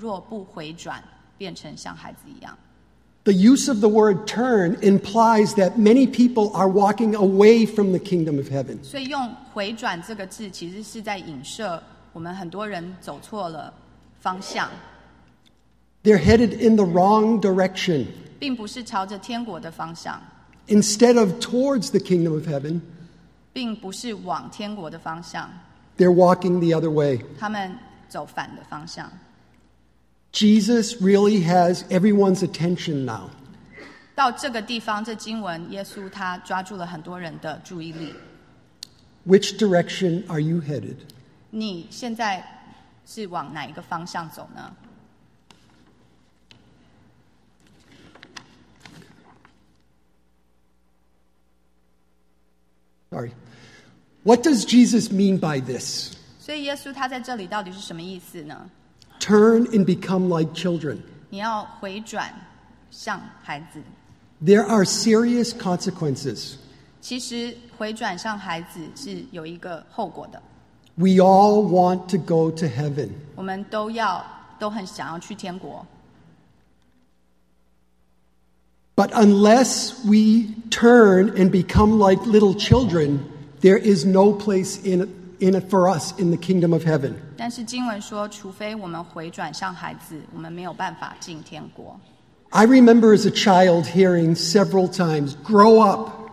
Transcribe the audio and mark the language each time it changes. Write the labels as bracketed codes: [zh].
[zh] 在这里，英文选用另外一个字，不过中文有讲到是要用回转。我实在告诉你们，若不回转，变成像孩子一样。 [en] The use of the word turn implies that many people are walking away from the kingdom of heaven. [zh] 所以用回转这个字其实是在影射我们很多人走错了方向。 [en] They're headed in the wrong direction. [zh] 并不是朝着天国的方向。 [en] Instead of towards the kingdom of heaven, [zh] 并不是往天国的方向。 [en] They're walking the other way. [zh] 他们走反的方向。 [en] Jesus really has everyone's attention now. [zh] 到这个地方，这经文，耶稣他抓住了很多人的注意力。 [en] Which direction are you headed? [zh] 你现在是往哪一个方向走呢？ [en] Sorry. What does Jesus mean by this? [zh] 所以耶稣他在这里到底是什么意思呢？ [en] Turn and become like children. [zh] 你要回转向孩子。 [en] There are serious consequences. [zh] 其实回转向孩子是有一个后果的。 [en] We all want to go to heaven. [zh] 我们都很想要去天国。 [en] But unless we turn and become like little children, there is no place in it for us in the kingdom of heaven. [zh] 但是经文说，除非我们回转向孩子，我们没有办法进天国。 [en] I remember as a child hearing several times, "Grow up."